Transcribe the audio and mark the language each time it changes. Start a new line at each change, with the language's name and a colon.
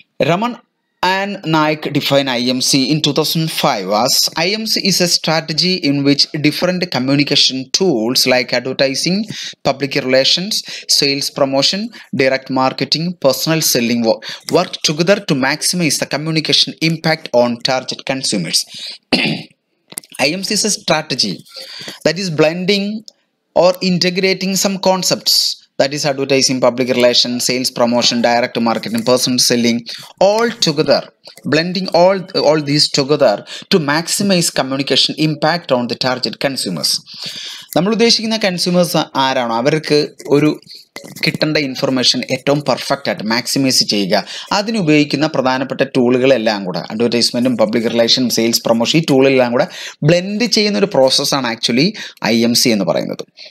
English: Raman and Naik define IMC in 2005 as IMC is a strategy in which different communication tools like advertising public relations sales promotion direct marketing personal selling work together to maximise the communication impact on target consumers. IMC is a strategy that is blending or integrating some concepts, that is advertising, public relations, sales promotion, direct marketing, personal selling, all together, blending all these together to maximize communication impact on the target consumers.
Malayalam: നമ്മൾ ഉദ്ദേശിക്കുന്ന consumers ആരാണോ അവർക്ക് ഒരു കിട്ടേണ്ട information ഏറ്റവും പെർഫെക്റ്റായിട്ട് maximise ചെയ്യുക. അതിനുപയോഗിക്കുന്ന പ്രധാനപ്പെട്ട ടൂളുകളെല്ലാം കൂടെ അഡ്വർടൈസ്മെൻറ്റും പബ്ലിക് റിലേഷനും സെയിൽസ് പ്രൊമോഷൻ ഈ ടൂളെല്ലാം കൂടെ ബ്ലെൻഡ് ചെയ്യുന്ന ഒരു പ്രോസസ്സാണ് ആക്ച്വലി IMC എന്ന് പറയുന്നത്.